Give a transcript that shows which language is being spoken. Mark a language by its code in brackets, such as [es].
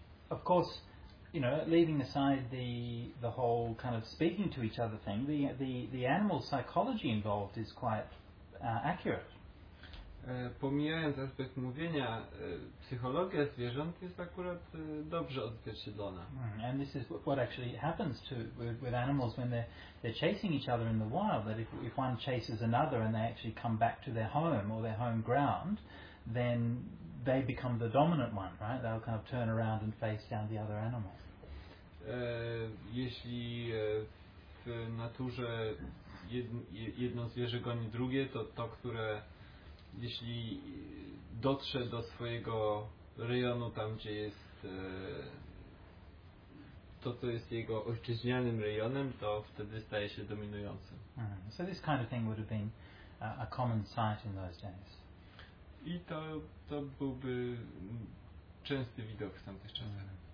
[en] Of course, you know, leaving aside the whole kind of speaking to each other thing, the animal psychology involved is quite accurate. [pl] Pomijając aspekt mówienia, psychologia zwierząt jest akurat dobrze odzwierciedlona. [en] And this is what actually happens to with animals when they're chasing each other in the wild, that if one chases another and they actually come back to their home or their home ground, then they become the dominant one, right? They'll kind of turn around and face down the other animals. [pl] Jeśli w naturze jedno zwierzę goni drugie, to które jeśli dotrze do swojego rejonu, tam gdzie jest to, co jest jego ojczyźnianym rejonem, to wtedy staje się dominującym. [en] So this kind of thing would have been a common sight in those days. [pl] I to byłby częsty widok w tamtych czasach.